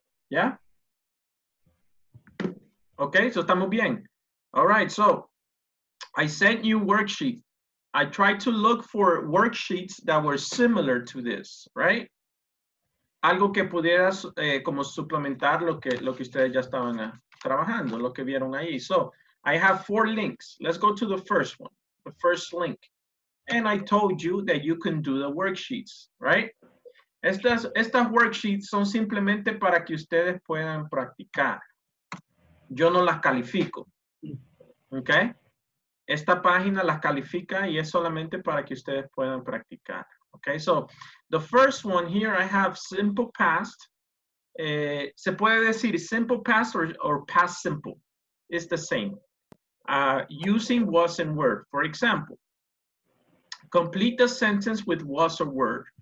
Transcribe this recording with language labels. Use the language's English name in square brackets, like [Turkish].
[English] Yeah? Okay, so [Spanish] estamos bien. [English] All right, so I sent you worksheet. I tried to look for worksheets that were similar to this, right? [Spanish] Algo que pudieras como suplementar lo que ustedes ya estaban trabajando, lo que vieron ahí. [English] So, I have four links. Let's go to the first one, the first link. And I told you that you can do the worksheets, right? [Spanish] Estas worksheets son simplemente para que ustedes puedan practicar. Yo no las califico. Okay? Esta página las califica y es solamente para que ustedes puedan practicar. [English] Okay? So, the first one here, I have simple past. [Spanish] Se puede decir [English] simple past or past simple. It's the same. Using was and were. For example, complete the sentence with was or were.